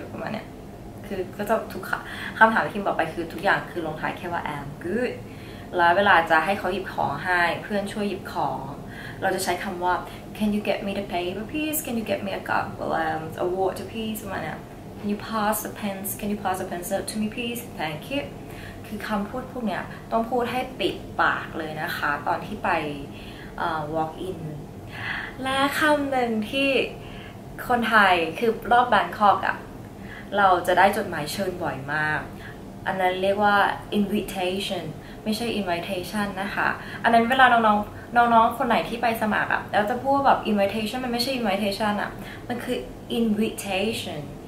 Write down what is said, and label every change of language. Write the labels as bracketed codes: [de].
[th] ประมาณนี้คือก็จะทุกคำถามที่คิมบอกไปคือทุกอย่างคือลงท้ายแค่ว่า [en] I'm good. [th] แล้วเวลาจะให้เขาหยิบของให้เพื่อนช่วยหยิบของเราจะใช้คำว่า [en] Can you get me the paper, please? Can you get me a cup, a water, please? [th] ประมาณนี้ [en] Can you pass the pens? Can you pass the pencil to me, please? Thank you. [th] คือคำพูดพวกเนี้ยต้องพูดให้ปิดปากเลยนะคะตอนที่ไป walk in และคำหนึ่งที่คนไทยคือรอบแบงคอกอ่ะเราจะได้จดหมายเชิญบ่อยมากอันนั้นเรียกว่า invitation ไม่ใช่ invitation นะคะอันนั้นเวลาน้องคนไหนที่ไปสมัครอ่ะแล้วจะพูดแบบ invitation มันไม่ใช่ invitation อ่ะมันคือ invitation